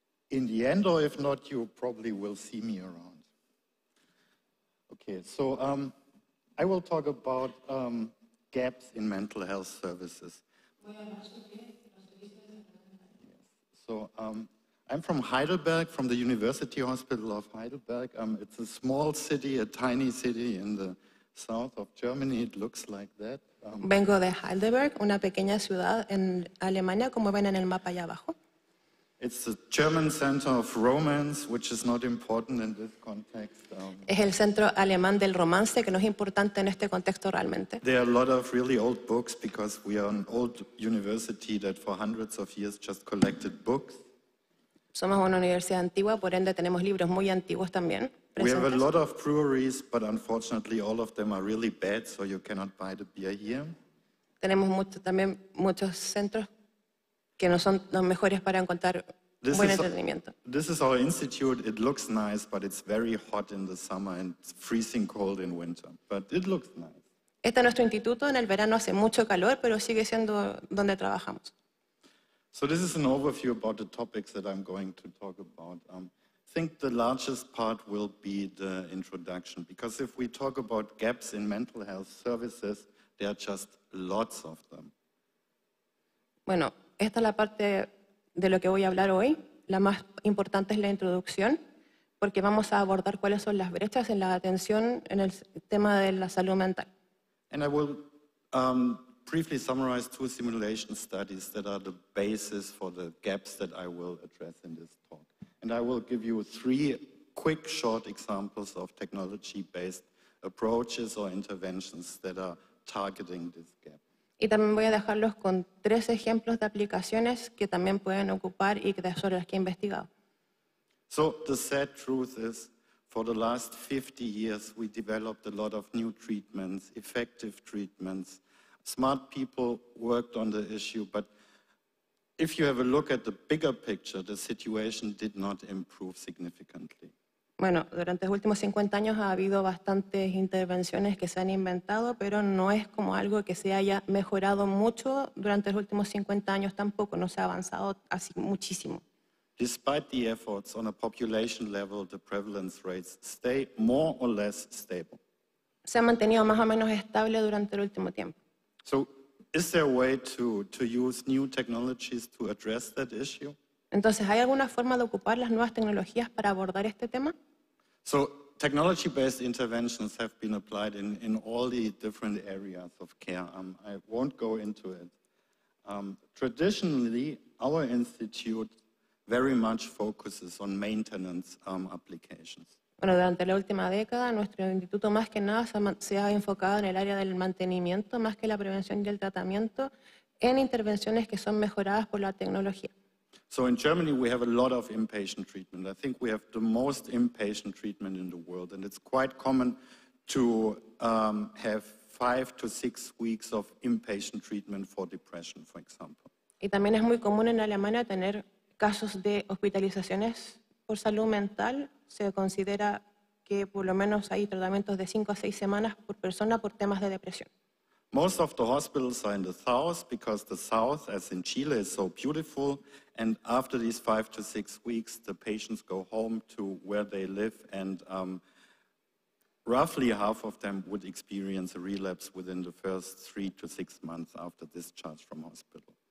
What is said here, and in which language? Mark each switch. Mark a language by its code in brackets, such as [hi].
[en] In the end, or if not, you probably will see me around. Okay, so I will talk about gaps in mental health services. So I'm from Heidelberg, from the University Hospital of Heidelberg. It's a small city, a tiny city in the south of Germany. It looks like that. [es] Vengo de Heidelberg, una pequeña ciudad en Alemania, como ven en el mapa allá abajo. [en] It's the German center of romance, which is not important in this context. [es] Es el centro alemán del romance, que no es importante en este contexto realmente. [en] There are a lot of really old books because we are an old university that for hundreds of years just collected books. [es] Somos una universidad antigua, por ende tenemos libros muy antiguos también. [en] We have a lot of breweries, but unfortunately all of them are really bad, so you cannot buy the beer here. [es] Tenemos también muchos centros que no son los mejores para encontrar buen entretenimiento. [en] This is our institute. It looks nice, but it's very hot in the summer and freezing cold in winter. But it looks nice. [es] Este es nuestro instituto. En el verano hace mucho calor, pero sigue siendo donde trabajamos. [en] So this is an overview about the topics that I'm going to talk about. I think the largest part will be the introduction, because if we talk about gaps in mental health services, there are just lots of them. [es] Bueno, esta es la parte de lo que voy a hablar hoy. La más importante es la introducción, porque vamos a abordar cuáles son las brechas en la atención en el tema de la salud mental. [en] And I will briefly summarize two simulation studies that are the basis for the gaps that I will address in this talk. And I will give you three quick, short examples of technology-based approaches or interventions that are targeting this gap. [es] Y también voy a dejarlos con tres ejemplos de aplicaciones que también pueden ocupar y que son las que he investigado. [en] So the sad truth is, for the last 50 years, we developed a lot of new treatments, effective treatments. Smart people worked on the issue, but if you have a look at the bigger picture, the situation did not improve significantly. [es] Bueno, durante los últimos 50 años ha habido bastantes intervenciones que se han inventado, pero no es como algo que se haya mejorado mucho durante los últimos 50 años tampoco, no se ha avanzado así muchísimo. [en] Despite the efforts on a population level, the prevalence rates stay more or less stable. [es] Se ha mantenido más o menos estable durante el último tiempo. [en] So, is there a way to use new technologies to address that issue? [es] Entonces, ¿hay alguna forma de ocupar las nuevas tecnologías para abordar este tema? [en] So, technology-based interventions have been applied in all the different areas of care. I won't go into it. Traditionally, our institute very much focuses on maintenance applications. [es] Bueno, durante la última década, nuestro instituto más que nada se ha enfocado en el área del mantenimiento, más que la prevención y el tratamiento, en intervenciones que son mejoradas por la tecnología. [en] So in Germany we have a lot of inpatient treatment. I think we have the most inpatient treatment in the world, and it's quite common to have 5 to 6 weeks of inpatient treatment for depression, for example. [es] Y también es muy común en Alemania tener casos de hospitalizaciones por salud mental. Se considera que por lo menos hay tratamientos de 5 a 6 semanas por persona por temas de depresión. [en] Most of the hospitals are in the south because the south, as in Chile, is so beautiful. And after these 5 to 6 weeks, the patients go home to where they live, and roughly half of them would experience a relapse within the first 3 to 6 months after discharge from hospital.